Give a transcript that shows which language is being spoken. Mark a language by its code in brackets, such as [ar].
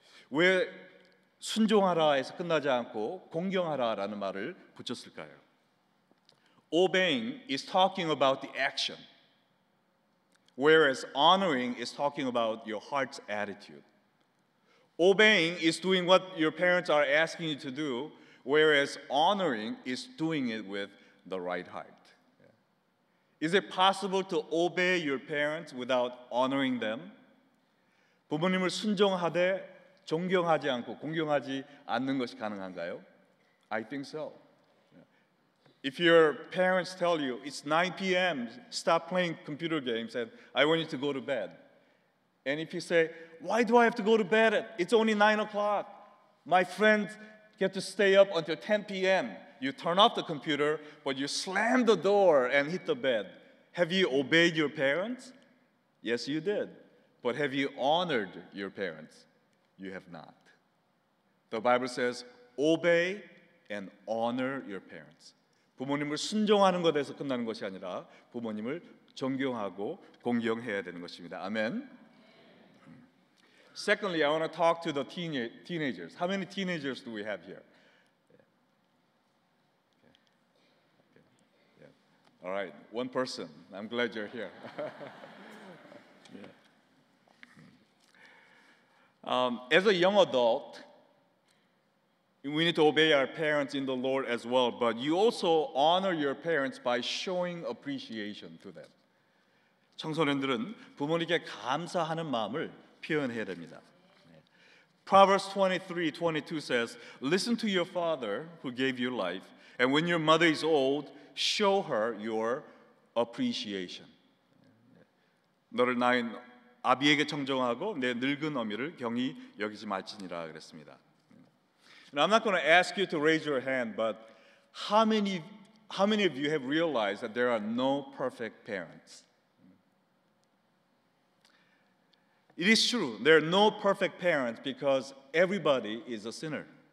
[ko] 왜 순종하라에서 끝나지 않고 공경하라라는 말을 붙였을까요? [en] Obeying is talking about the action, whereas honoring is talking about your heart's attitude. Obeying is doing what your parents are asking you to do, whereas honoring is doing it with the right heart. Is it possible to obey your parents without honoring them? [ko] 부모님을 순종하되 존경하지 않고 공경하지 않는 것이 가능한가요? [en] I think so. If your parents tell you, it's 9 p.m., stop playing computer games and I want you to go to bed. And if you say, why do I have to go to bed? It's only 9 o'clock. My friends get to stay up until 10 p.m. You turn off the computer, but you slam the door and hit the bed. Have you obeyed your parents? Yes, you did. But have you honored your parents? You have not. The Bible says, obey and honor your parents. [ko] 부모님을 순종하는 것에서 끝나는 것이 아니라 부모님을 존경하고 공경해야 되는 것입니다. 아멘. [en] Secondly, I want to talk to the teenagers. How many teenagers do we have here? Yeah. All right, one person. I'm glad you're here. As a young adult, we need to obey our parents in the Lord as well, but you also honor your parents by showing appreciation to them. [ko] 청소년들은 부모님께 감사하는 마음을 표현해야 됩니다. [en] Proverbs 23:22 says, Listen to your father who gave you life, and when your mother is old, show her your appreciation. [ko] 너를 낳은 아비에게 청종하고 내 늙은 어미를 경히 여기지 말지니라 그랬습니다. [en] Now, I'm not going to ask you to raise your hand, but how many of you have realized that there are no perfect parents? It is true. There are no perfect parents because everybody is a sinner.